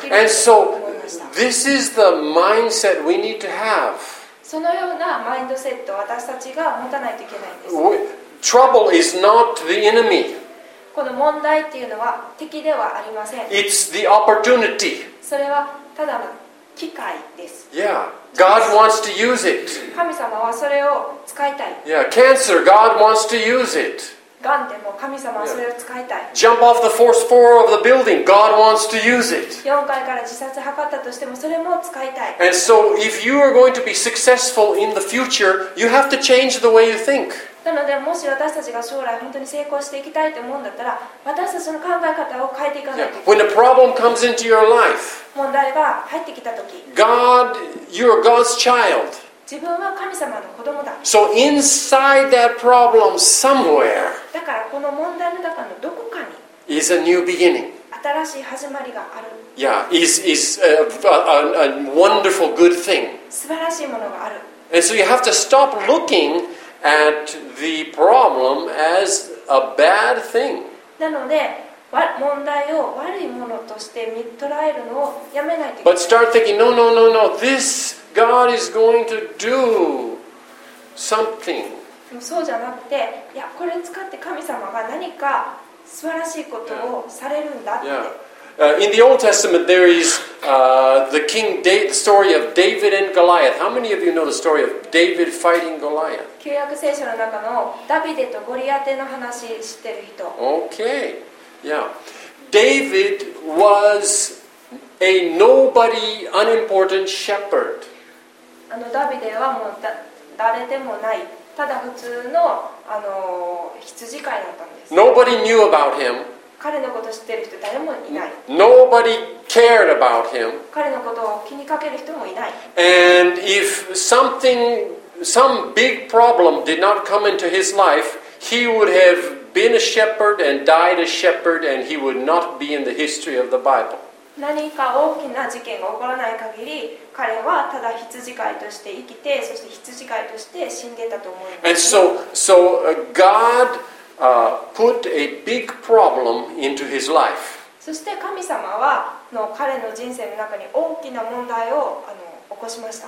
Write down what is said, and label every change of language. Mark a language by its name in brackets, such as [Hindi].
[English] And so this is the mindset we need to have. [Japanese] そのようなマインドセットを私たちが持たないといけないんです。 [English] Trouble is not the enemy. [Japanese] この問題っていうのは敵ではありません。 [English] It's the opportunity. [Japanese] それはただの機会です。 [English] Yeah. God wants to use it. [Japanese] 神様はそれを使いたい。 [English] Yeah. Cancer, God wants to use it. [Japanese] ガンでも神様はそれを使いたい。 [English] Yeah. Jump off the fourth floor of the building. God wants to use it. [Japanese] 4階から自殺を図ったとしてもそれも使いたい。 [English] And so if you are going to be successful in the future, you have to change the way you think. [Japanese] なのでもし私たちが将来本当に成功していきたいと思うんだったら、私たちの考え方を変えていかないといけない。 [English] When a problem comes into your life, [Japanese] 問題が入ってきたとき、 [English] God, you are God's child. [Japanese] 自分は神様の子供だ。 [English] So inside that problem somewhere, [Japanese] だからこの問題の中のどこかに [English] is a new beginning. [Japanese] 新しい始まりがある。 [English] Yeah, is a wonderful good thing. [Japanese] 素晴らしいものがある。 [English] And so you have to stop looking at the problem as a bad thing. [Japanese] なので問題を悪いものとして捉えるのをやめないといけない。 [English] But start thinking, no, this. God is going to do something. [Japanese] そうじゃなくて、いやこれ使って神様が何か素晴らしいことをされるんだって。 [English] Yeah. In the Old Testament, there is the king the story of David and Goliath. How many of you know the story of David fighting Goliath? [Japanese] 旧約聖書の中のダビデとゴリアテの話知ってる人。 [English] Okay. Yeah. David was a nobody, unimportant shepherd. [Japanese] あのダビデはもう誰でもない、ただ普通の、羊飼いだったんです。 [English] Nobody knew about him. [Japanese] 彼のこと知ってる人誰もいない。 [English] Nobody cared about him. [Japanese] 彼のことを気にかける人もいない。 [English] And if something, some big problem did not come into his life, he would have been a shepherd and died a shepherd, and he would not be in the history of the Bible. [Japanese] 何か大きな事件が起こらない限り、彼はただ羊飼いとして生きて、そして羊飼いとして死んでたと思います。 [English] And so God put a big problem into his life. [Japanese] そして神様はの彼の人生の中に大きな問題を起こしました。